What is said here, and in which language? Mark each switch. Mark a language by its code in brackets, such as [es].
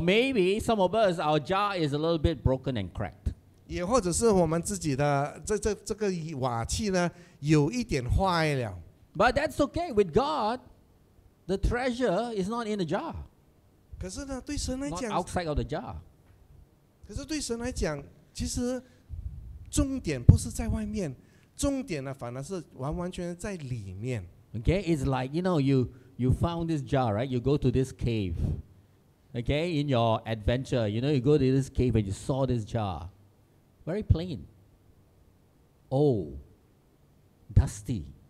[en] maybe some of us, our jar is a little bit broken and cracked. [zh] 也或者是我们自己的这个瓦器呢，有一点坏了。But [en] that's okay with God. The treasure is not in the jar. [zh] 可是呢，对神来讲， [en] not outside of the jar. [zh] 可是对神来讲，其实重点不是在外面，重点呢反而是完完全在里面。Okay, [en] it's like you know you found this jar, right? You go to this cave, okay? In your adventure, you know, you go to this cave and you saw this jar, very plain, old, dusty.